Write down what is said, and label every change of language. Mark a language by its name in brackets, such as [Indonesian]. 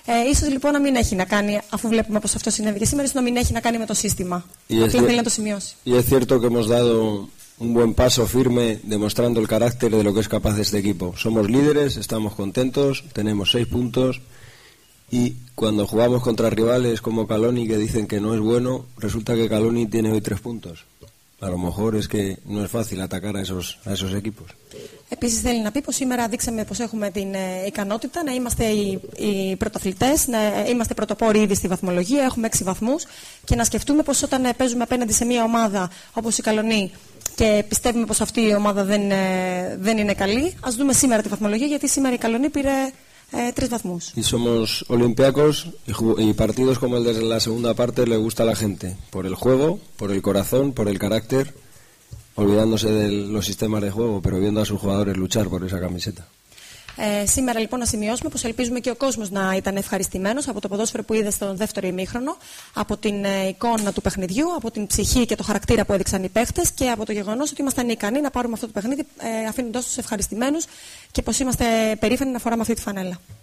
[Greek] Ίσως λοιπόν να μην έχει να κάνει, αφού βλέπουμε πως αυτό συνέβη και σήμερα, ίσως να μην έχει να κάνει με το σύστημα. Απλά θέλει να το σημειώσει. [Spanish] Y es cierto que hemos dado un buen paso firme demostrando el carácter de lo que es capaz este equipo. Somos líderes, estamos contentos, tenemos 6 puntos. Y cuando jugamos contra rivales como Caloni que dicen que no es bueno, resulta que Caloni tiene hoy 3 puntos. A lo mejor es que no es fácil atacar a esos equipos. [Greek] Επίσης θέλει να πει πως σήμερα δείξαμε πως έχουμε την ικανότητα να είμαστε οι πρωτοαθλητές, να είμαστε πρωτοπόροι ήδη στη βαθμολογία, έχουμε 6 βαθμούς και να σκεφτούμε πως όταν παίζουμε απέναντι σε μια ομάδα όπως η Καλονί και πιστεύουμε πως αυτή η ομάδα δεν είναι καλή, ας δούμε σήμερα τη βαθμολογία γιατί σήμερα η Καλονί πήρε 3 βαθμούς. [Spanish] Y somos Olympiacos y partidos como el de la segunda parte le gusta a la gente por el juego, por el corazón, por el carácter. Olvidándose de los sistemas de juego, pero viendo a sus jugadores luchar por esa camiseta. [Greek] Σήμερα λοιπόν να σημειώσουμε πως ελπίζουμε και ο κόσμος να ήταν ευχαριστημένος από το ποδόσφαιρο που είδε στον δεύτερο ημίχρονο, από την εικόνα του παιχνιδιού, από την ψυχή και το χαρακτήρα που έδειξαν οι παίχτες και από το γεγονός ότι ήμασταν ικανοί να πάρουμε αυτό το παιχνίδι, αφήνοντας τους ευχαριστημένους και πως είμαστε περήφανοι να φοράμε αυτή τη φανέλα.